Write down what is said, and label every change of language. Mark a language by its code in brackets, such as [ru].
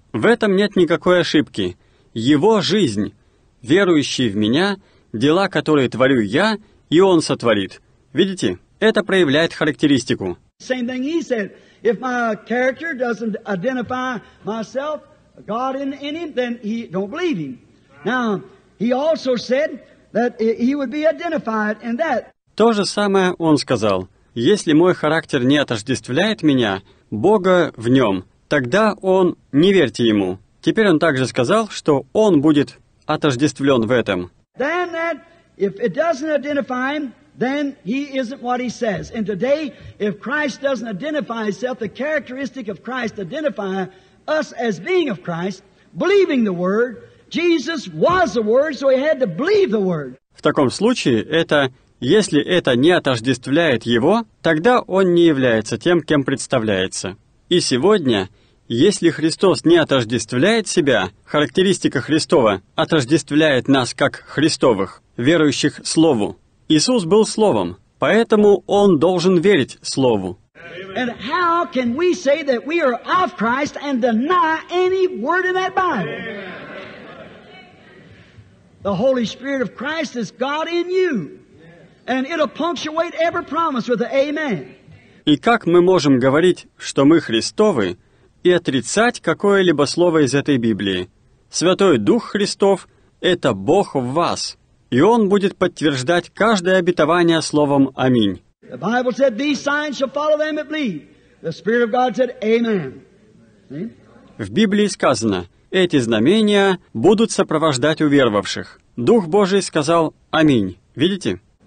[ru] В этом нет никакой ошибки. Его жизнь, верующий в меня, дела, которые творю я, и он сотворит. Видите? Это проявляет характеристику. [en] Same thing he said. If my character doesn't identify myself, God in him, then he don't believe him. Now, he also said that he would be identified in that. [ru] То же самое он сказал. Если мой характер не отождествляет меня, Бога в нем, тогда он, не верьте ему. Теперь он также сказал, что он будет отождествлен в этом. [en] Then that, if it doesn't identify him, then he isn't what he says. And today, if Christ doesn't identify himself, the characteristic of Christ identify us as being of Christ, believing the word, Jesus was the Word, so he had to believe the Word. [ru] В таком случае, это, если это не отождествляет его, тогда он не является тем, кем представляется. И сегодня, если Христос не отождествляет себя, характеристика Христова отождествляет нас как Христовых, верующих Слову. Иисус был Словом, поэтому он должен верить Слову. [en] And how can we say that we are of Christ and deny any word in that Bible? The Holy Spirit of Christ is God in you. And it'll punctuate every promise with an amen. [ru] И как мы можем говорить, что мы Христовы, и отрицать какое-либо слово из этой Библии? Святой Дух Христов — это Бог в вас. И Он будет подтверждать каждое обетование словом «Аминь». [en] The Bible said, these signs shall follow them that believe. The Spirit of God said, amen. [ru] В Библии сказано, эти знамения будут сопровождать уверовавших. Дух Божий сказал «Аминь». Видите?